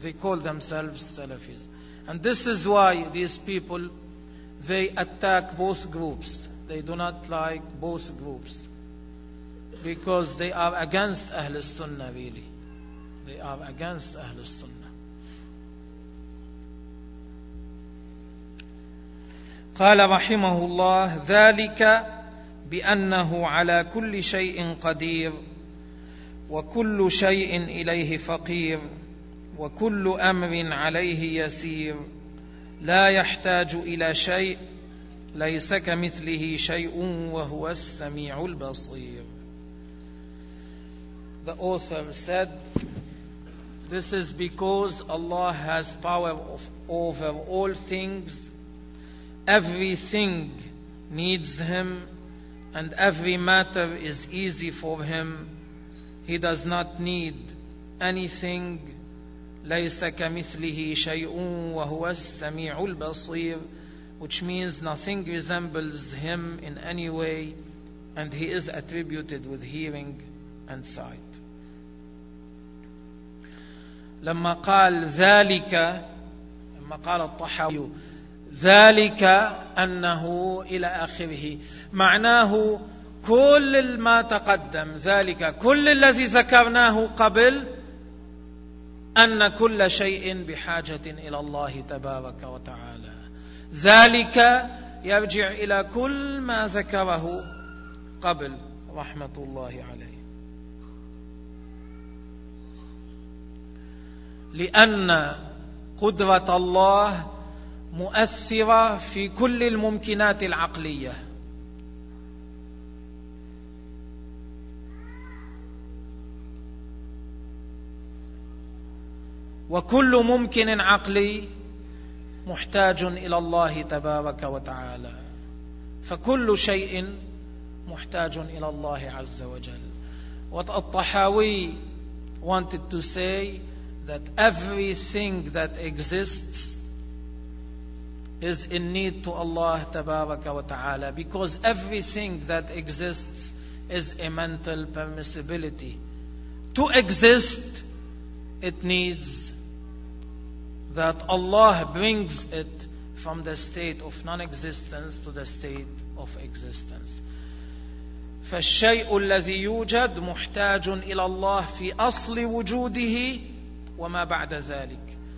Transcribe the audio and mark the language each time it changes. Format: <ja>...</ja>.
<en>They call themselves Salafis. And this is why these people, they attack both groups. They do not like both groups. Because they are against Ahlul Sunnah, really. They are against Ahlul Sunnah.</en> <ar>قال رحمه الله ذلك بأنه على كل شيء قدير وكل شيء إليه فقير وكل أمر عليه يسير لا يحتاج إلى شيء ليس كمثله شيء وهو السميع البصير.</ar> <en>The author said, this is because Allah has power over all things. Everything needs Him, and every matter is easy for Him. He does not need anything.</en> <ar>ليس كمثله شيء وهو السميع البصير,</ar> <en>which means nothing resembles Him in any way, and He is attributed with hearing and sight.</en> <ar>لما قال ذلك, لما قال الطحاوي ذلك أنه إلى آخره, معناه كل ما تقدم, ذلك كل الذي ذكرناه قبل, أن كل شيء بحاجة إلى الله تبارك وتعالى. ذلك يرجع إلى كل ما ذكره قبل رحمة الله عليه, لأن قدرة الله مؤثرة في كل الممكنات العقلية. وكل ممكن عقلي محتاج إلى الله تبارك وتعالى, فكل شيء محتاج إلى الله عز وجل.</ar> <en>والطحاوي wanted to say that everything that exists is in need to Allah تبارك وتعالى, because everything that exists is a mental permissibility. To exist, it needs that Allah brings it from the state of non-existence to the state of existence.</en> <ar>فالشيء الذي يوجد محتاج إلى الله في أصل وجوده وما بعد ذلك.</ar>